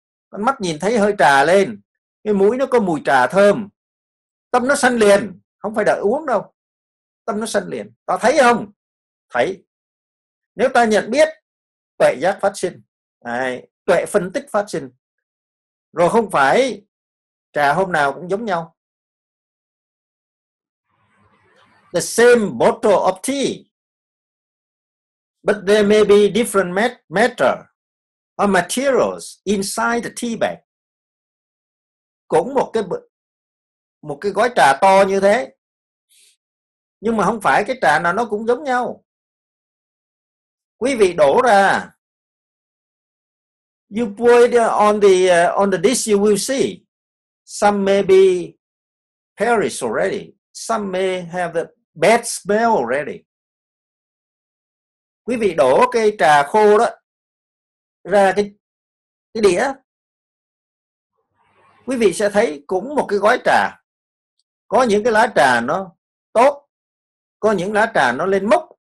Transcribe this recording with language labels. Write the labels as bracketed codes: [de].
[vi] Con mắt nhìn thấy hơi trà lên, cái mũi nó có mùi trà thơm, tâm nó sanh liền, không phải đợi uống đâu, tâm nó sanh liền. Ta thấy không? Thấy. Nếu ta nhận biết, tuệ giác phát sinh, đấy, tuệ phân tích phát sinh. Rồi không phải trà hôm nào cũng giống nhau. [en] The same bottle of tea, but there may be different matter or materials inside the tea bag. [vi] Cũng một cái gói trà to như thế, nhưng mà không phải cái trà nào nó cũng giống nhau. Quý vị đổ ra, [en] you pour it on the dish, you will see some may be perished already, some may have a bad smell already. [vi] Quý vị đổ cái trà khô đó ra cái đĩa, quý vị sẽ thấy cũng một cái gói trà, có những cái lá trà nó tốt, có những lá trà nó lên mốc.